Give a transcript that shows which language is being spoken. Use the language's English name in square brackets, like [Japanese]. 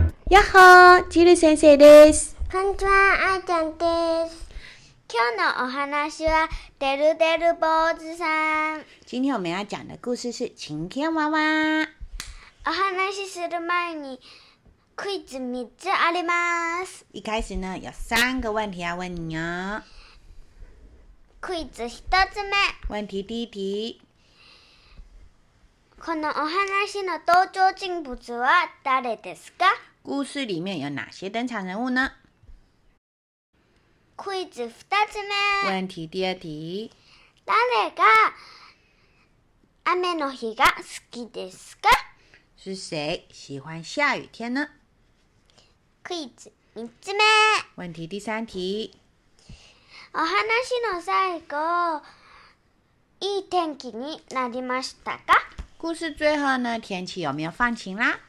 [Japanese] やっほー、ジル先生です。こんにちは、あーちゃんです。今日のお話は、デルデル坊主さん。 [Chinese] 今天我们要讲的故事是、晴天娃娃。 [Japanese] お話しする前に、クイズ3つあります。 [Chinese] 一開始呢、有三個問題要問你哦。 [Japanese] クイズ1つ目。 [Chinese] 問題第一題。 [Japanese] このお話の登場人物は誰ですか？ [Chinese] 故事里面有哪些登场人物呢？ [Japanese] Quiz 2つ目。 [Chinese] 问题第二题。 [Japanese] 誰が雨の日が好きですか？ [Chinese] 是谁喜欢下雨天呢？ [Japanese] Quiz 3つ目。 [Chinese] 问题第三题。 [Japanese] お話の最後、いい天気になりましたか？ [Chinese] 故事最后呢，天气有没有放晴啦？